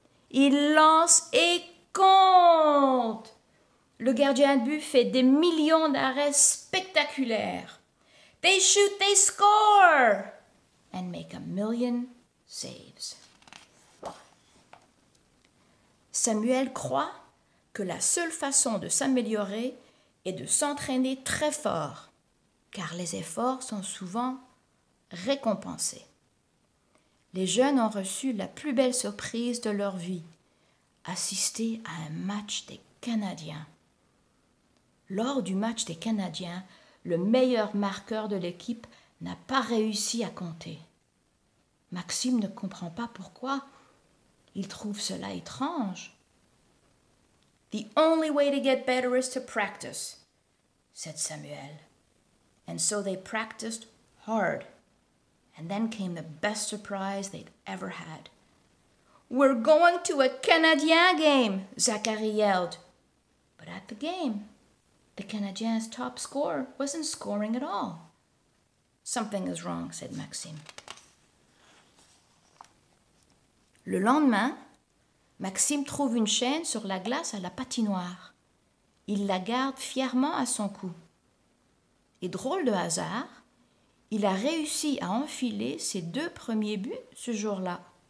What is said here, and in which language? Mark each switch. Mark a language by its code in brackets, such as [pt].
[fr] Ils lancent et compte. Le gardien de but fait des millions d'arrêts spectaculaires. [en] They shoot, they score and make a million saves. [fr] Samuel croit que la seule façon de s'améliorer est de s'entraîner très fort, car les efforts sont souvent récompensés. Les jeunes ont reçu la plus belle surprise de leur vie. Assister à un match des Canadiens. Lors du match des Canadiens, le meilleur marqueur de l'équipe n'a pas réussi à compter. Maxime ne comprend pas pourquoi. Il trouve cela étrange. [en] The only way to get better is to practice, said Samuel. And so they practiced hard. And then came the best surprise they'd ever had. We're going to a Canadien game, Zachary yelled. But at the game, the Canadien's top scorer wasn't scoring at all. Something is wrong, said Maxime. [fr] Le lendemain, Maxime trouve une chaîne sur la glace à la patinoire. Il la garde fièrement à son cou. Et drôle de hasard, il a réussi à enfiler ses deux premiers buts ce jour-là.